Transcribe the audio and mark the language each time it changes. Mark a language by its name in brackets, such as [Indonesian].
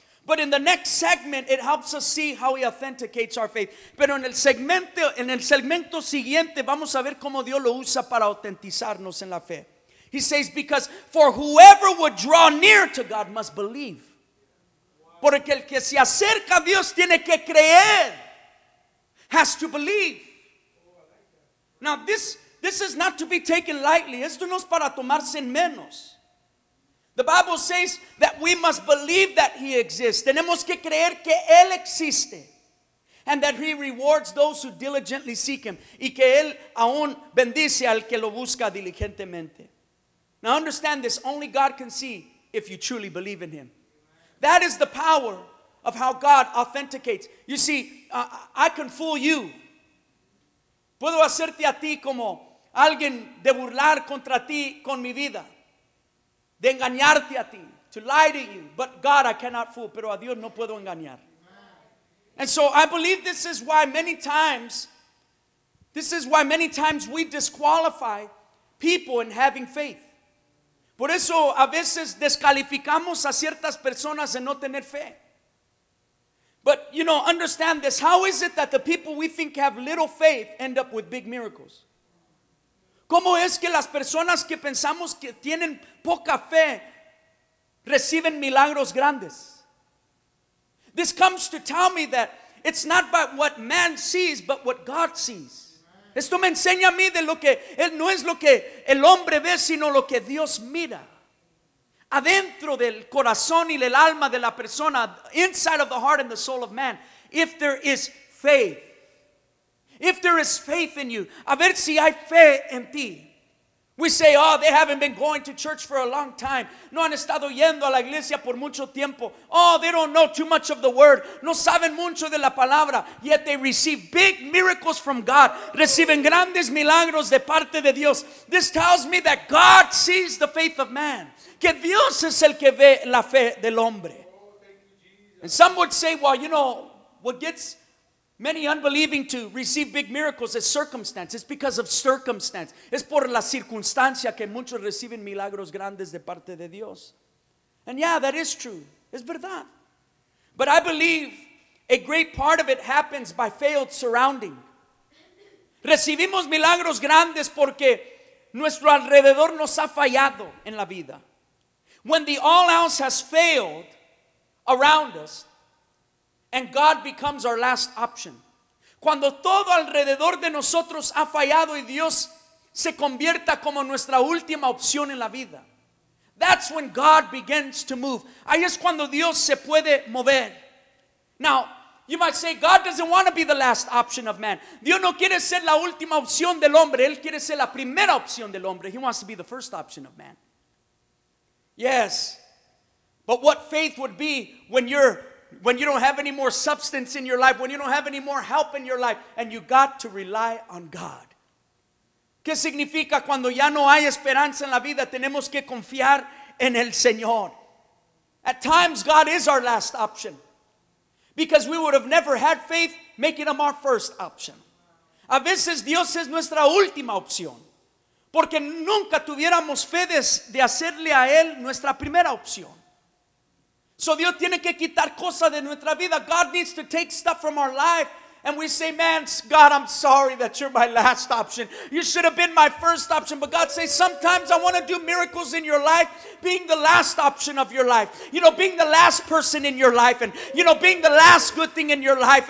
[English] But in the next segment, it helps us see how He authenticates our faith. [Spanish] Pero en el segmento siguiente, vamos a ver cómo Dios lo usa para autentizarnos en la fe. [English] He says, because for whoever would draw near to God must believe. [Spanish] Porque el que se acerca a Dios tiene que creer. [English] Has to believe. Now, this is not to be taken lightly. [Spanish] Esto no es para tomarse en menos. [English] The Bible says that we must believe that He exists. [Spanish] Tenemos que creer que Él existe. [English] And that He rewards those who diligently seek Him. [Spanish] Y que Él aún bendice al que lo busca diligentemente. [English] Now understand this. Only God can see if you truly believe in Him. That is the power of how God authenticates. You see, I can fool you. [Spanish] Puedo hacerte a ti como alguien de burlar contra ti con mi vida. De engañarte a ti, [English] to lie to you. But God, I cannot fool. [Spanish] Pero a Dios no puedo engañar. [English] And so I believe this is why many times we disqualify people in having faith. [Spanish] Por eso a veces descalificamos a ciertas personas en no tener fe. [English] But, you know, understand this. How is it that the people we think have little faith end up with big miracles? [Spanish] ¿Cómo es que las personas que pensamos que tienen poca fe reciben milagros grandes? [English] This comes to tell me that it's not by what man sees, but what God sees. [Spanish] Esto me enseña a mí de lo que él no es lo que el hombre ve, sino lo que Dios mira. Adentro del corazón y del alma de la persona, [English] inside of the heart and the soul of man, if there is faith. If there is faith in you, [Spanish] a ver si hay fe en ti. [English] We say, oh, they haven't been going to church for a long time. [Spanish] No han estado yendo a la iglesia por mucho tiempo. [English] Oh, they don't know too much of the word. [Spanish] No saben mucho de la palabra. [English] Yet they receive big miracles from God. [Spanish] Reciben grandes milagros de parte de Dios. [English] This tells me that God sees the faith of man. [Spanish] Que Dios es el que ve la fe del hombre. [English] And some would say, well, you know, what gets Many unbelieving to receive big miracles is circumstance. It's because of circumstance. [Spanish] Es por la circunstancia que muchos reciben milagros grandes de parte de Dios. [English] And yeah, that is true. [Spanish] Es verdad. [English] But I believe a great part of it happens by failed surrounding. [Spanish] Recibimos milagros grandes porque nuestro alrededor nos ha fallado en la vida. [English] When the all else has failed around us, and God becomes our last option. [Spanish] Cuando todo alrededor de nosotros ha fallado y Dios se convierta como nuestra última opción en la vida. [English] That's when God begins to move. [Spanish] Ahí es cuando Dios se puede mover. [English] Now, you might say, God doesn't want to be the last option of man. [Spanish] Dios no quiere ser la última opción del hombre. Él quiere ser la primera opción del hombre. [English] He wants to be the first option of man. Yes, but what faith would be when you don't have any more substance in your life, when you don't have any more help in your life, and you got to rely on God. [Spanish] ¿Qué significa cuando ya no hay esperanza en la vida? Tenemos que confiar en el Señor. [English] At times, God is our last option. Because we would have never had faith, making him our first option. [Spanish] A veces Dios es nuestra última opción. Porque nunca tuviéramos fe de hacerle a él nuestra primera opción. So Dios tiene que quitar cosas de nuestra vida. [English] God needs to take stuff from our life. And we say, man, God, I'm sorry that you're my last option. You should have been my first option. But God says, sometimes I want to do miracles in your life, being the last option of your life. You know, being the last person in your life. And, you know, being the last good thing in your life.